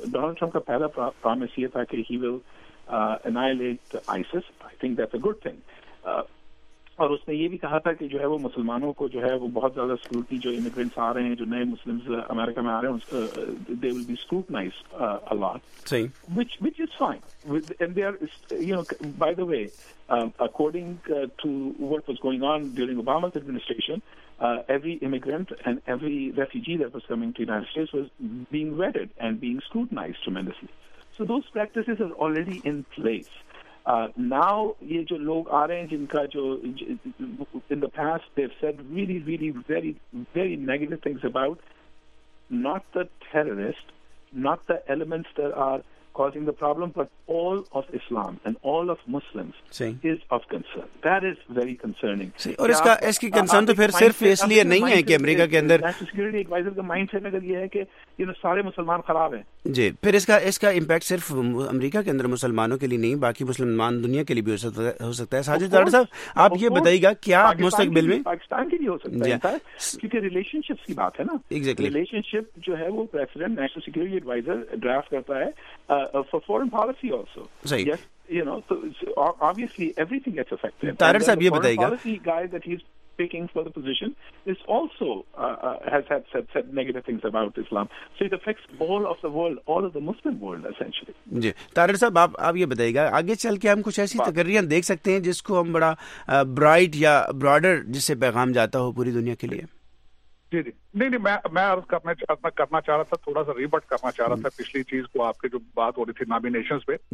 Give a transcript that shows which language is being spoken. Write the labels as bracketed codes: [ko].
[ur] Donald Trump کا پہلا promise یہ تھا کہ [en] he will annihilate ISIS, I think that's a good thing, [ur] اور اس نے یہ بھی کہا تھا کہ جو ہے وہ مسلمانوں کو جو ہے وہ بہت زیادہ سکیورٹی, جو امیگرینٹس آ رہے ہیں, جو نئے مسلمز امریکا میں آ رہے ہیں, [en] They will be scrutinized a lot, which is fine, and they are, you know, by the way, according to what was going on during Obama's administration, every immigrant and every refugee that was coming to the United States was being vetted and being scrutinized tremendously. So those practices are already in place. Now, [ur] ye jo log aa rahe hain jinka jo [en] in the past they've said really, really very, very negative things about, not the terrorist, not the elements that are causing the problem, but all of Islam and all of Muslims is of concern. That is very concerning. [ur] اور اس کا اس کی concern تو پھر صرف اس لیے نہیں ہے کہ امریکہ کے اندر سیکیورٹی ایڈوائزر کا مائنڈ سیٹ اگر یہ ہے کہ سارے مسلمان خراب ہیں, جی, پھر اس کا امپیکٹ صرف امریکہ کے اندر مسلمانوں کے لیے نہیں, باقی مسلمان دنیا کے لیے بھی ہو سکتا ہے. ساجد تارڑ صاحب, آپ یہ بتائیے گا کیا مستقبل میں پاکستان کے لیے ہو سکتا ہے, کیونکہ ریلیشن شپس کی بات ہے نا. ایگزیکٹلی, ریلیشن شپ جو ہے وہ president national security advisor draft کرتا ہے [en] for foreign policy also, [ur] صحیح, [en] You know, so obviously everything gets affected. [ur] Tarar صاحب یہ بتائیے گا, [en] speaking for the position is also has had said negative things about Islam, so it affects all of the world, all of the Muslim world essentially. [ur] جی تارڑ صاحب, آپ یہ بتائیے گا آگے چل کے ہم کچھ ایسی تقریریاں دیکھ سکتے ہیں جس کو ہم بڑا برائٹ یا براڈر, جس سے پیغام جاتا ہو پوری دنیا کے لیے. جی جی, نہیں نہیں, میں عرض کرنا چاہ رہا تھا, تھوڑا سا ریبٹ کرنا چاہ رہا تھا پچھلی چیز کو, آپ کی جو بات ہو رہی تھی نامینیشنز پہ,